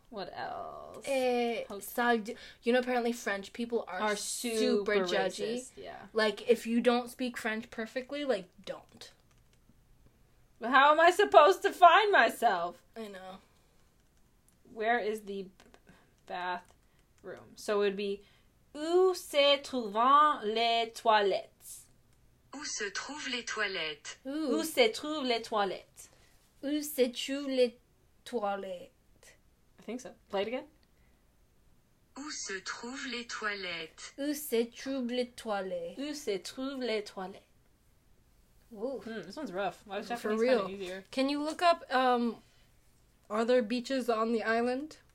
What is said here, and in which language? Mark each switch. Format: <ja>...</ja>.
<en>What else? You know, apparently French people are super judgy. Yeah. Like, if you don't speak French perfectly, like, don't. But how am I supposed to find myself? I know. Where is the bathroom? So it would be,</en> <fr>où se trouvent les toilettes? Où se trouvent les toilettes? Ooh. Où se trouvent les toilettes? Où se trouvent les toilettes?</fr> <en>I think so. Play it again.</en> <fr>Où se trouvent les toilettes? Où se trouvent les toilettes? Où se trouvent les toilettes?</fr> <en>Ooh. This one's rough. Why is Japanese kind of easier? Can you look up, are there beaches on the island?</en>